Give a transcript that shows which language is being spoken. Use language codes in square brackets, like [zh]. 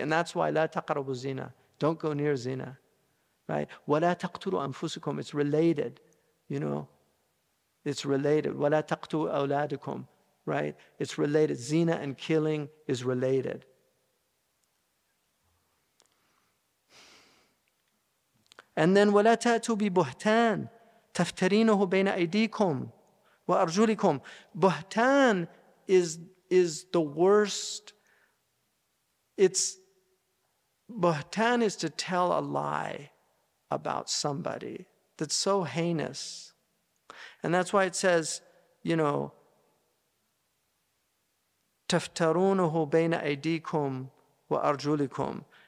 [en] And that's why, [ar] لا تقربوا زنا. [en] Don't go near zina. Right? [ar] وَلَا تَقْتُلُوا أَنفُسِكُمْ. [en] It's related, you know. It's related. [ar] وَلَا تَقْتُلُوا أَوْلَادِكُمْ. [en] Right? It's related. Zina and killing is related. And then, [ar] وَلَا تَأْتُوا بِبُهْتَانٍ تَفْتَرِينُهُ بَيْنَ أَيْدِيكُمْ وَأَرْجُلِكُمْ. [en] Buhtan is the worst. It's, buhtan is to tell a lie about somebody that's so heinous. And that's why it says, you know, [ar] تَفْتَرُونُهُ بَيْنَ أَيْدِيكُمْ وَأَرْجُلِكُمْ.